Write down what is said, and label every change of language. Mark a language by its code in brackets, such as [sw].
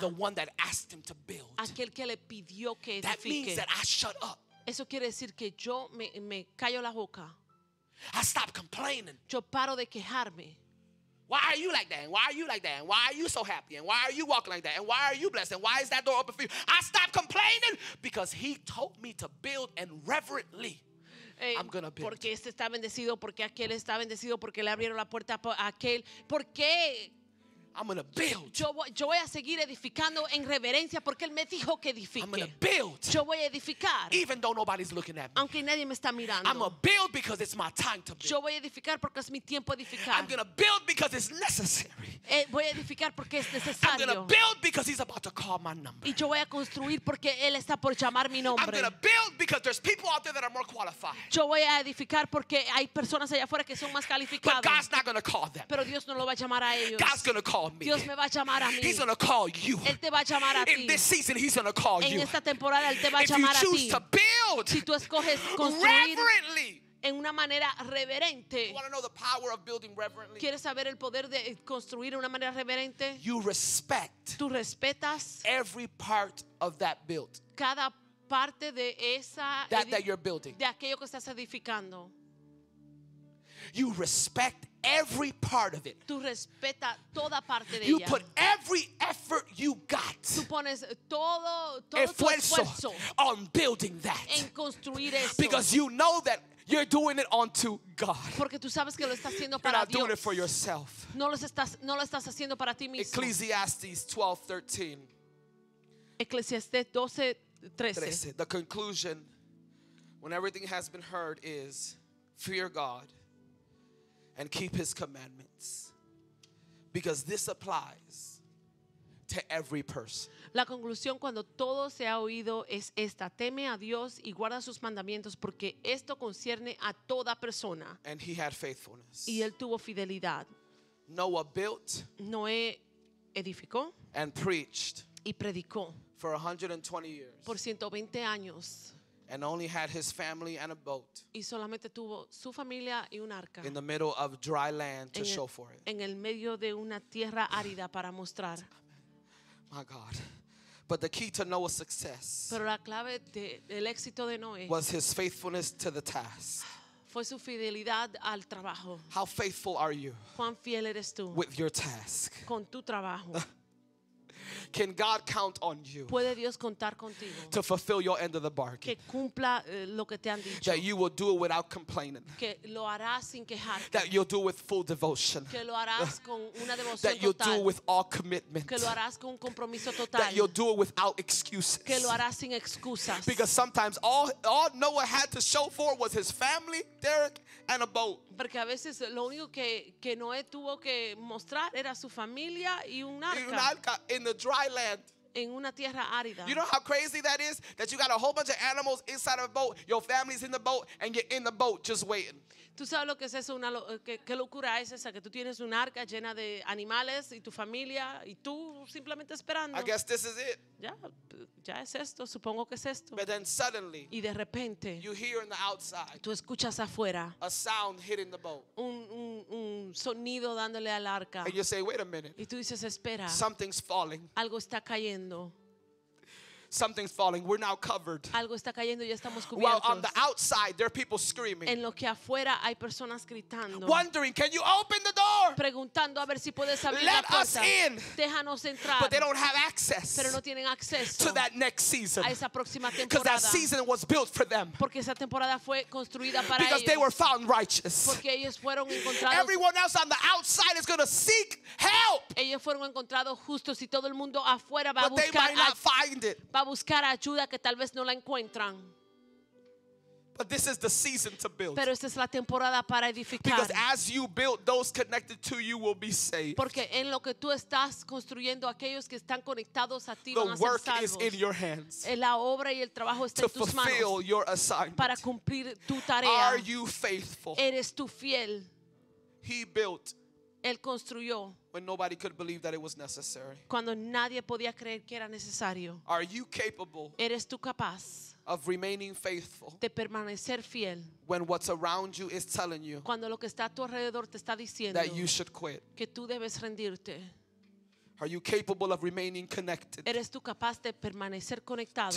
[en] the one that asked him to build. [es] Aquel que le pidió que edifique. [en] That means that I shut up. [es] Eso quiere decir que yo me callo la boca. [en] I stop complaining. [es] Yo paro de quejarme. [en] Why are you like that? And why are you like that? And why are you so happy? And why are you walking like that? And why are you blessed? And why is that door open for you? I stop complaining because he told me to build and reverently. I'm gonna build. [es] Porque este está bendecido, porque aquel está bendecido, porque le abrieron la puerta a aquel. ¿Por qué? [en] I'm gonna build. [es] Yo voy a seguir edificando en reverencia porque él me dijo que edifique. [en] I'm gonna build. [es] Yo voy a edificar. [en] Even though nobody's looking at me. [es] Aunque nadie me está mirando. [en] I'm gonna build because it's my time to build. [es] Yo voy a edificar porque es mi tiempo de edificar. [en] I'm gonna build because it's necessary. [es] Voy a edificar porque es necesario. [en] I'm gonna build because he's about to call my number. [es] Y yo voy a construir porque él está por llamar mi nombre. [en] I'm gonna build because there's people out there that are more qualified. [es] Yo voy a edificar porque hay personas allá afuera que son más calificadas. [en] But God's not gonna call them. [es] Pero Dios no lo va a llamar a ellos. [en] God's gonna call me. [es] Dios me va a llamar a mí. [en] He's going to call you. [es] Él te va a llamar a [en] in [es] ti. [en] This season, he's going to call [es] en [en] you. [es] Esta temporada, él te va [en] if [es] llamar [en] you choose [es] a ti. [en] To build [es] si tú escoges construir [en] reverently, [es] en una manera reverente. [en] You want to know the power of building reverently? [es] ¿Quieres saber el poder de construir en una manera reverente? [en] You respect [es] tú respetas [en] every part of that build. [es] Cada parte de esa [en] that you're building. [es] De aquello que estás edificando. [en] You respect every part of it. [es] Tú respeta toda parte de ella. [en] You put every effort you got. [es] Tú pones todo esfuerzo [en] on building that. [es] En construir eso. [en] Because you know that you're doing it unto God. [es] Porque tú sabes que lo estás haciendo para Dios. [en] You're not doing it for yourself. [es] No lo estás haciendo para ti mismo. [en] Ecclesiastes 12:13. Ecclesiastes 12:13. The conclusion, when everything has been heard, is fear God. And keep his commandments. Because this applies to every person. [es] La conclusión cuando todo se ha oído es esta. Teme a Dios y guarda sus mandamientos porque esto concierne a toda persona. [en] And he had faithfulness. [es] Y él tuvo fidelidad. [en] Noah built. [es] Noé edificó. [en] And preached. [es] Y predicó. [en] For 120 years. [es] Por 120 años. [en] And only had his family and a boat. [es] Y solamente tuvo su familia y un arca. [en] In the middle of dry land to show for it. [es] En el medio de una tierra árida para mostrar. [en] My God. But the key to Noah's success. [es] Pero la clave del éxito de Noé. [en] Was his faithfulness to the task. [es] Fue su fidelidad al trabajo. [en] How faithful are you? [es] ¿Cuán fiel eres tú? [en] With your task. [es] Con tu trabajo. [en] Can God count on you? [es] ¿Puede Dios contar contigo? [en] To fulfill your end of the bargain. [es] Que cumpla lo que te han dicho. [en] That you will do it without complaining. [es] Que lo harás sin quejarte. [en] That you'll do it with full devotion. [es] Que lo harás con una devoción [en] that you'll [es] total. [en] Do it with all commitment. [es] Que lo harás con un compromiso total. [en] That you'll do it without excuses. [es] Que lo harás sin excusas. [en] Because sometimes all Noah had to show for was his family, Derek, and a boat. [es] Porque a veces lo único que Noé tuvo que mostrar era su familia y un arca. [en] In the dry land. [es] en una tierra árida. [en] You know how crazy that is? That you got a whole bunch of animals inside of a boat, your family's in the boat, and you're in the boat just waiting. [es] ¿Tú sabes lo que es eso? ¿Qué locura es esa? Que tú tienes un arca llena de animales y tu familia y tú simplemente esperando. [en] I guess this is it. [es] Ya es esto, supongo que es esto. [en] But then suddenly, [es] y de repente, [en] you hear on the outside, [es] tú escuchas afuera, [en] a sound hitting the boat. [es] Un sonido dándole al arca. [en] And you say, wait a minute. [es] Y tú dices, espera. [en] Something's falling. [es] Algo está cayendo. [en] Something's falling. We're now covered. [es] Algo está cayendo, ya estamos cubiertos. [en] While on the outside, there are people screaming. [es] En lo que afuera hay personas gritando. [en] Wondering, can you open the door? [es] Preguntando a ver si puedes abrir la puerta. [en] Let us in. [es] Déjanos entrar. [en] But they don't have access. [es] Pero no tienen acceso. [en] To that next season. [es] A esa próxima temporada. [en] Because that season was built for them. [es] Porque esa temporada fue construida para ellos. [en] Because they were found righteous. [es] Porque ellos fueron encontrados. [en] Everyone else on the outside is going to seek help. [es] Ellos fueron encontrados justos y todo el mundo afuera va a buscar. [en] But they might not find it. [es] Buscar ayuda que tal vez no la encuentran. [en] But this is the season to build. [es] Pero esta es la temporada para edificar. [en] Because as you build, those connected to you will be saved. [es] Porque en lo que tú estás construyendo, aquellos que están conectados a ti van a ser salvos. [en] The work is in your hands. [es] La obra y el trabajo está en tus manos. [en] To fulfill your assignment. [es] Para cumplir tu tarea. [en] Are you faithful? [es] ¿Eres tú fiel? [en] He built. [es] Él construyó. [en] When nobody could believe that it was necessary. [es] Cuando nadie podía creer que era necesario. [en] Are you capable? [es] ¿Eres tú capaz? [en] Of remaining faithful. [es] De permanecer fiel. [en] When what's around you is telling you. [es] Cuando lo que está a tu alrededor te está diciendo. [en] That you should quit. [es] Que tú debes rendirte. [en] Are you capable of remaining connected? [es] ¿Eres tú capaz de permanecer conectado?